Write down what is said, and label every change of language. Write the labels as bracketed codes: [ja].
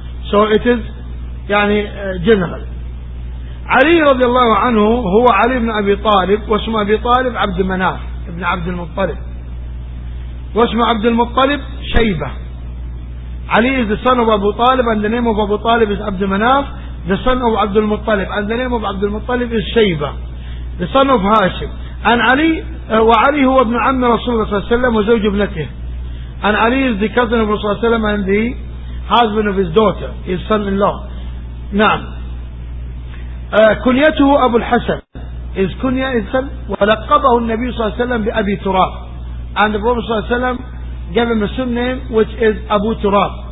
[en] So it is يعني general. [ar] علي رضي الله عنه هو علي بن أبي طالب, واسم أبي طالب عبد مناف ابن عبد المطلب, واسم عبد المطلب شيبة. [en] علي is the son of Abu Talib and the name of Abu Talib is عبد مناف, the son of عبد المطلب and the name of عبد المطلب is شيبة, the son of هاشم. [ar] And علي وعلي هو ابن عم رسول الله صلى الله عليه وسلم وزوج ابنته. [en] And علي is the cousin of رسول الله صلى الله عليه وسلم and the husband of his daughter, his son-in-law. [ar] نعم. كنيته أبو الحسن. [en] His kunya is son. [ar] ولقبه النبي صلى الله عليه وسلم بأبي تراب. [en] And the Prophet صلى الله عليه وسلم gave him a surname which is أبو تراب.